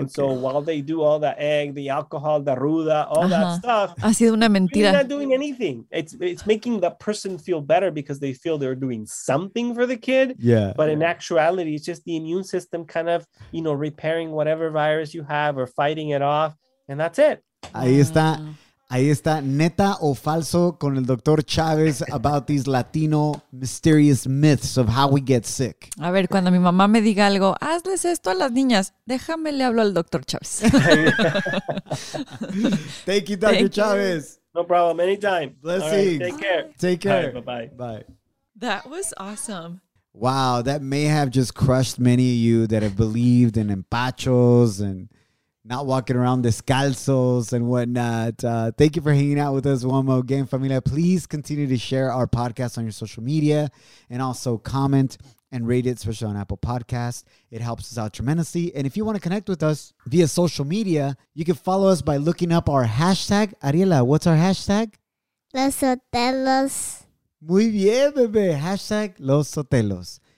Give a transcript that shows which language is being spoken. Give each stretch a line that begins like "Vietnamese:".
English: And so while they do all the egg, the alcohol, the ruda, all that stuff.
Spanish: Ha sido una mentira.
English: They're not doing anything. It's making the person feel better because they feel they're doing something for the kid. Yeah. But in actuality, it's just the immune system kind of, you know, repairing whatever virus you have or fighting it off. And that's it.
Spanish: Ahí está. Ahí está, neta o falso con el Dr.
English: Chavez about these Latino mysterious myths of how we get sick.
Spanish: A ver, cuando mi mamá me diga algo, hazles esto a las niñas, déjame le hablo al Dr. Chavez.
English: Thank you, Dr. Chavez. No problem, anytime. Blessings. Right, take care. Take care. Bye. Bye. That was awesome. Wow, that may have just crushed many of you that have believed in empachos and not walking around descalzos and whatnot. Thank you for hanging out with us one more game, familia. Please continue to share our podcast on your social media and also comment and rate it, especially on Apple Podcasts. It helps us out tremendously. And if you want to connect with us via social media, you can follow us by looking up our hashtag. Ariela, what's our hashtag?
Spanish: Los Sotelos. Muy bien, bebé. Hashtag Los Sotelos.